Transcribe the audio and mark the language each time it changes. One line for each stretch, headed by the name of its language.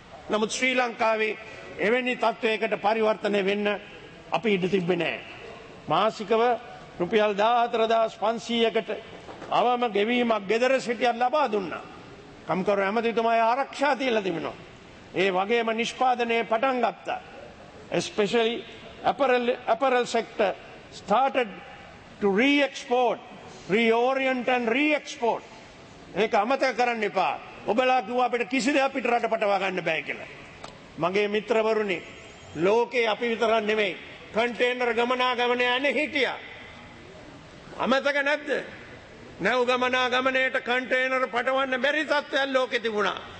Sinhala: නමුත් ශ්‍රී ලංකාවේ එවැනි තත්ත්වයකට පරිවර්තනය වෙන්න අපි ඉඩ තිබ්බේ නැහැ. මාසිකව රුපියල් 14,500කට අවම ගෙවීමක් ගෙදර සිටියන් ලබා දුන්නා. කම්කරු ඇමතිතුමායි ආරක්ෂා තියලා තිබෙනවා. ඒ වගේම නිෂ්පාදනය පටන් ගත්තා.
English: Especially apparel sector started to re-export, reorient and re-export.
Sinhala: ඒක අමතක කරන්න එපා. ඔබලා කිව්වා අපිට කිසි දෙයක් පිට රට පටවා ගන්න බෑ කියලා. මගේ මිත්‍රවරුනි, ලෝකේ අපි විතරක් නෙමෙයි කන්ටේනර් ගමනාගමනය යන්නේ හිටියා. අමතක නැද්ද? නැව් ගමනාගමනයට කන්ටේනර් පටවන්න බැරි තත්ත්වයක් ලෝකේ තිබුණා.